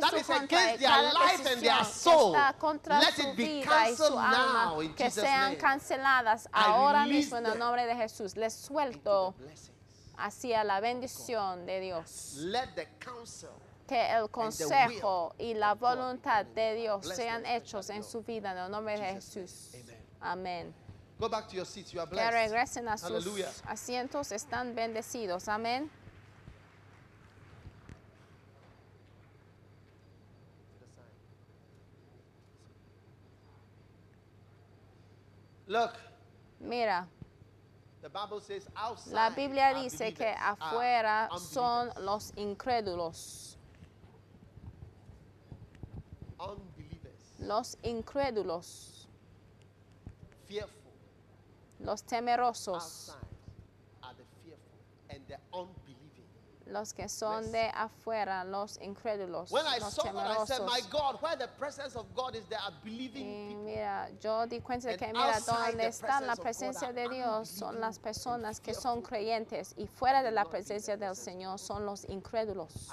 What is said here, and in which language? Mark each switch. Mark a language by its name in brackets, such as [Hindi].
[English] that is against their life and their soul. Let it be canceled now in Jesus' name. [Spanish] Canceladas ahora mismo en el nombre de Jesús. Les suelto hacia la bendición de Dios. [English] Let the counsel [Spanish] que el consejo y la voluntad de Dios sean hechos en su vida en el nombre de Jesús. Amén. [English] Go back to your seats. You are blessed. [Spanish] Que regresen a sus asientos. Están bendecidos. Amén. [English] Look, [Spanish] mira, [English] the Bible says outside [Spanish] la Biblia dice que afuera son los incrédulos. [English] Unbelievers. [Spanish] Los incrédulos. [English] Fearful. [Spanish] Los temerosos. [English] Outside are the fearful and the unbelieving. [Spanish] Los que son [English] let's [Spanish] de afuera, los incrédulos. [English] When I [Spanish] los [English] saw [Spanish] temerosos. [English] That, I said, my God, where the presence of God is, there are believing people. [Spanish] Mira, yo di cuenta de que, mira, donde está la presencia de Dios son las personas que son creyentes. Y fuera de la presencia del Señor son los incrédulos.